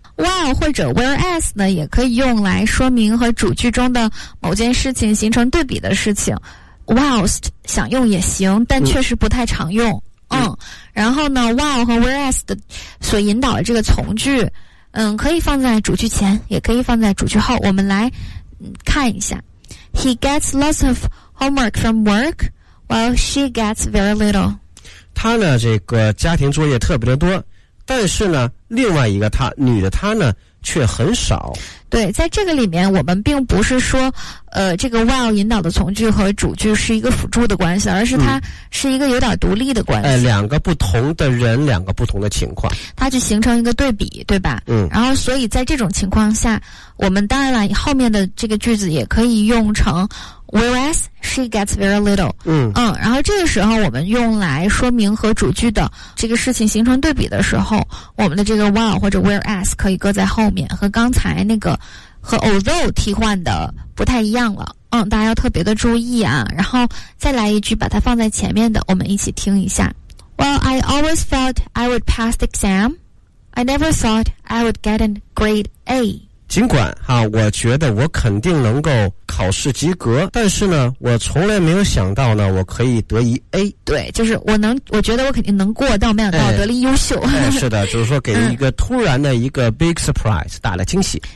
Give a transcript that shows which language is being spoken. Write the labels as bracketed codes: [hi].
[zh] While 或者 whereas 呢，也可以用来说明和主句中的某件事情形成对比的事情。 Whilst 想用也行，但确实不太常用。然后呢 while 和 whereas 的所引导的这个从句可以放在主句前也可以放在主句后。我们来看一下 [en] He gets lots of homework from work while she gets very little。 [zh] 他呢这个家庭作业特别的多，但是呢另外一个他女的他呢却很少。对，在这个里面我们并不是说这个 while 引导的从句和主句是一个辅助的关系，而是它是一个有点独立的关系。两个不同的人，两个不同的情况，它就形成一个对比，对吧？然后所以在这种情况下，我们当然了后面的这个句子也可以用成 [en] whereas she gets very little。 [zh] 然后这个时候我们用来说明和主句的这个事情形成对比的时候，我们的这个 while 或者 whereas 可以搁在后面，和刚才那个和 although 替换的不太一样了。大家要特别的注意啊。然后再来一句把它放在前面的，我们一起听一下。 [en] Well, I always thought I would pass the exam. I never thought I would get a grade A. [zh] 尽管哈，我觉得我肯定能够考试及格，但是呢我从来没有想到呢我可以得一 A。对，就是我觉得我肯定能过，但我没想到我得了优秀。是的，就是说给一个突然的一个 [en] big surprise [zh] 大的惊喜。